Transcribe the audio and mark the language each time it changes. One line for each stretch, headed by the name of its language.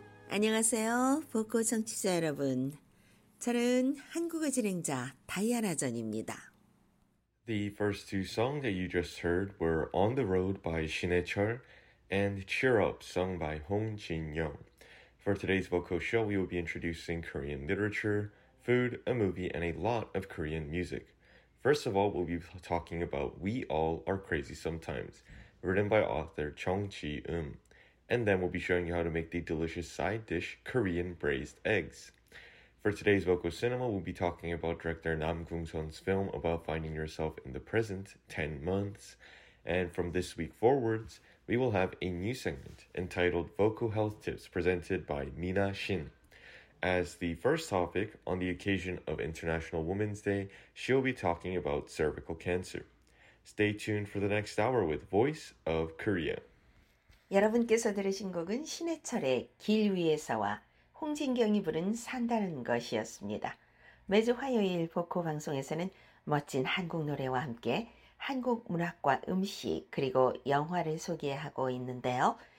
Korean: 안녕하세요, 보컬 청취자 여러분. 저는 한국어 진행자 다이아나 전입니다.
English: The first two songs that you just heard were On the Road by Shinhae-chul and Cheer Up sung by Hong Jin-young. For today's vocal show, we will be introducing Korean literature, food, a movie, and a lot of Korean music. First of all, we'll be talking about We All Are Crazy Sometimes, written by author Chung Ji-eum. And then we'll be showing you how to make the delicious side dish, Korean braised eggs. For today's vocal cinema, we'll be talking about director Nam Kung-sun's film about finding yourself in the present, 10 months. And from this week forwards, we will have a new segment entitled Vocal Health Tips presented by Mina Shin. As the first topic, on the occasion of International Women's Day, she'll be talking about cervical cancer. Stay tuned for the next hour with Voice of Korea.
Korean: 여러분께서 들으신 곡은 신해철의 길 위에서와 홍진경이 부른 산다는 것이었습니다. 매주 화요일 보코 방송에서는 멋진 한국 노래와 함께 한국 문학과 음식 그리고 영화를 소개하고 있는데요.